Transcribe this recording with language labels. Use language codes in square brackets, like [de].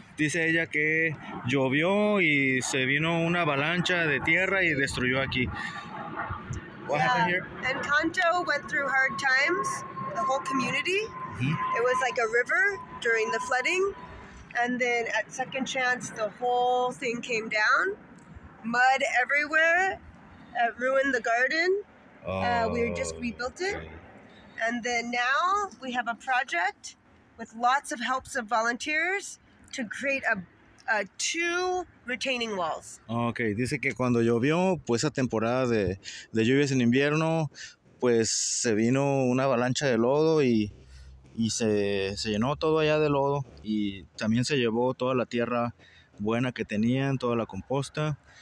[es] Dice ella que llovió y se vino una avalancha de tierra y destruyó aquí. [en] What happened here? Encanto went through hard times, the whole community. Mm-hmm. It was like a river during the flooding. And then at Second Chance, the whole thing came down. Mud everywhere, ruined the garden. We just rebuilt it. And then now we have a project with lots of helps of volunteers to create a 2 retaining walls. [es] Okay, dice que cuando llovió, pues esa temporada de lluvias en invierno, pues se vino una avalancha de lodo y se llenó todo allá de lodo y también se llevó toda la tierra buena que tenían, toda la composta.